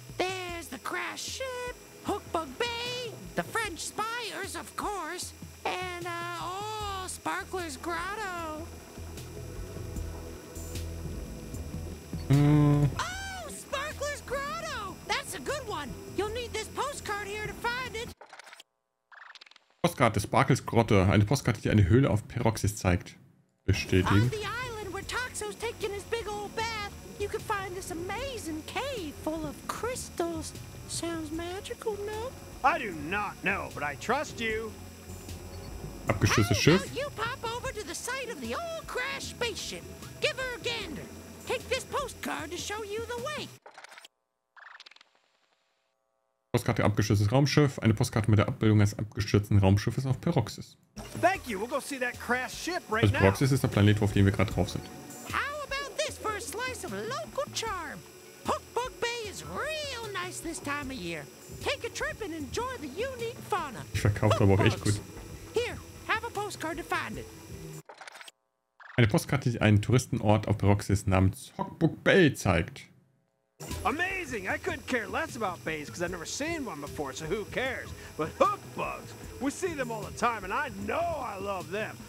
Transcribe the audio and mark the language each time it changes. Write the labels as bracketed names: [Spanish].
[English] There's the crash ship, Hookbug Bay, the French Spires, of course, and, Sparkler's Grotto. Oh, Sparkler's Grotto! That's a good one! You'll need this postcard here to find it. [German] Postkarte, Sparkles Grotte. Eine Postkarte, die eine Höhle auf Paroxys zeigt. Bestätigen. [English] On the island where Toxo's taking his big old bath, you can find this amazing cave full of crystals. Sounds magical, no? I do not know, but I trust you. [German] Abgeschüttetes Schiff. [English] How about you pop over to the site of the old crash spaceship? Give her a gander. Take this postcard to show you the way. [German] Postkarte abgestürztes Raumschiff, eine Postkarte mit der Abbildung eines abgestürzten Raumschiffes auf Paroxys. [English] Thank you. We'll go see that crash ship right [German] now. Also Paroxys ist der Planet, auf dem wir gerade drauf sind. [English] How about this for a slice of local charm? Hookbug Bay is real nice this time of year. Take a trip and enjoy the unique fauna. [German] Ich verkaufe aber auch echt gut. [English] Here, have a postcard to find it. [German] Eine Postkarte, die einen Touristenort auf Paroxys namens Hookbug Bay zeigt. [English] Amazing! I couldn't care less about bays because I've never seen one before, so who cares? But hookbugs! We see them all the time and I know I love them!